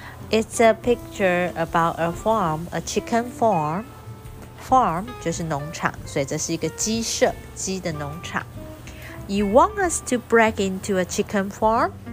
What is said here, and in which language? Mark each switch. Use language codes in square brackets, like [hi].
[en] It's a picture about a farm, a chicken farm. [zh] Farm 就是农场，所以这是一个鸡舍，鸡的农场。 [en] You want us to break into a chicken farm?